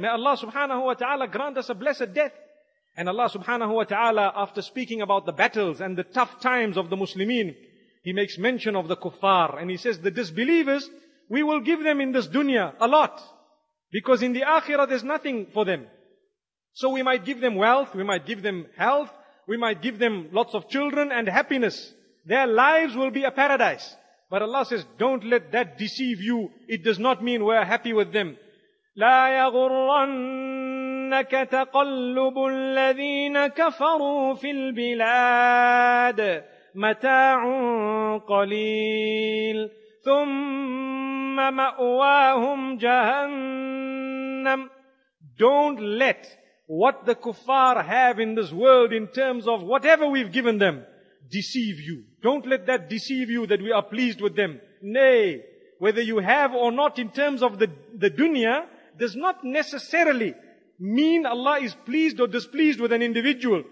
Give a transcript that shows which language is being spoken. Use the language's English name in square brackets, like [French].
[English] May Allah subhanahu wa ta'ala grant us a blessed death. And Allah subhanahu wa ta'ala, after speaking about the battles and the tough times of the Muslimin, He makes mention of the kuffar, and He says, the disbelievers, we will give them in this dunya a lot, because in the akhirah there's nothing for them. So we might give them wealth, we might give them health, we might give them lots of children and happiness. Their lives will be a paradise. But Allah says, don't let that deceive you. It does not mean we're happy with them. [Arabic] لا يغرنك تقلب الذين كفروا في البلاد متاع قليل ثم مأواهم جهنم. [English] Don't let what the kuffar have in this world in terms of whatever we've given them deceive you. Don't let that deceive you that we are pleased with them. Nay, whether you have or not in terms of the dunya does not necessarily mean Allah is pleased or displeased with an individual.